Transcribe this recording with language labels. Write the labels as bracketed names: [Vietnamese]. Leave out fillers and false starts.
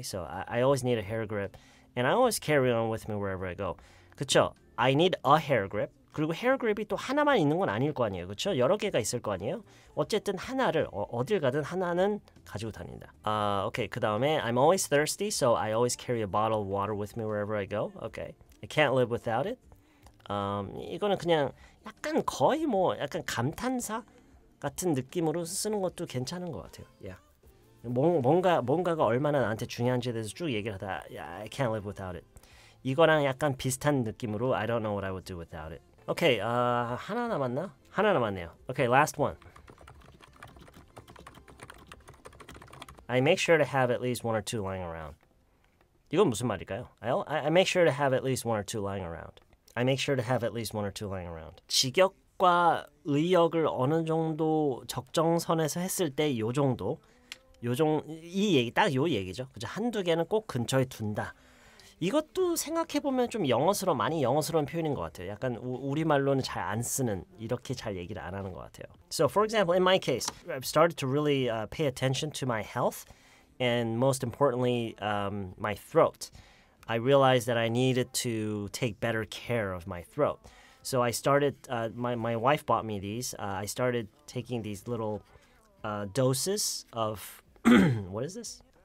[English] So I always need a hair grip and I always carry on with me wherever I go. [Korean] 그렇죠? [English] I need a hair grip. [Korean] 그리고 hair grip이 또 하나만 있는 건 아닐 거 아니에요. 그렇죠? 여러 개가 있을 거 아니에요. 어쨌든 하나를 어딜 가든 하나는 가지고 다닌다. [English] Okay, [Korean] 그다음에 [English] I'm always thirsty, so I always carry a bottle of water with me wherever I go. Okay. I can't live without it. [Korean] 이거는 그냥 약간 거의 뭐 약간 감탄사 같은 느낌으로 쓰는 것도 괜찮은 것 같아요. Yeah. 뭔가가 얼마나 나한테 중요한지에 대해서 쭉 얘기를 하다 [English] yeah, I can't live without it. [Korean] 이거랑 약간 비슷한 느낌으로 [English] I don't know what I would do without it. Okay, [Korean] 하나 남았나? 하나 남았네요. [English] Okay, last one. I make sure to have at least one or two lying around. [Korean] 이건 무슨 말일까요? [English] I make sure to have at least one or two lying around. I make sure to have at least one or two lying around. 직역 [Korean] 의욕과 의역을 어느 정도 적정선에서 했을 때요 정도 요정이 얘기 딱요 얘기죠. 그죠? 한두 개는 꼭 근처에 둔다. 이것도 생각해보면 좀 영어스러운, 많이 영어스러운 표현인 것 같아요. 약간 우리말로는 잘안 쓰는, 이렇게 잘 얘기를 안 하는 것 같아요. [English] So, for example, in my case, I've started to really pay attention to my health and most importantly, my throat. I realized that I needed to take better care of my throat. So, I started, my wife bought me these. I started taking these little doses of, what is this?